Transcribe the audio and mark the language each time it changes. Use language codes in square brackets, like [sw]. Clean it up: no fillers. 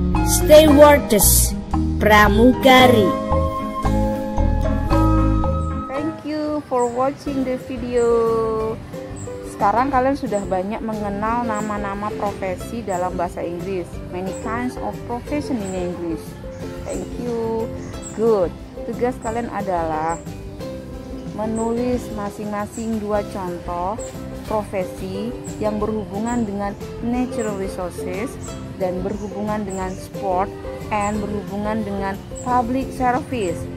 [en] Stewardess, pramugari. Thank you for watching the video. [id] Sekarang kalian sudah banyak mengenal nama-nama profesi dalam bahasa Inggris. [en] Many kinds of profession in English. Thank you. Good. [id] Tugas kalian adalah menulis masing-masing dua contoh profesi yang berhubungan dengan natural resources dan berhubungan dengan sport and berhubungan dengan public service.